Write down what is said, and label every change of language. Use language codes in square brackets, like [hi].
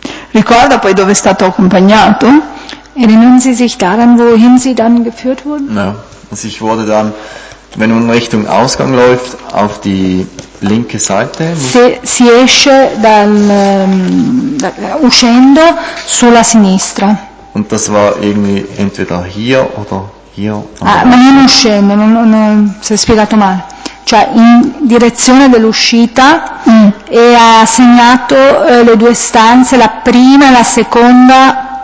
[it] Ricorda poi dove è stato accompagnato? [de] Erinnern Sie sich daran, wohin Sie dann geführt wurden? Ja, also ich wurde dann, wenn man Richtung Ausgang läuft, auf die linke Seite. [it] Si esce dal uscendo sulla sinistra. [de] Und das war irgendwie entweder hier oder hier. [it] Ma non uscendo, si è spiegato male. Cioè in direzione dell'uscita e ha segnato le due stanze, la prima e la seconda.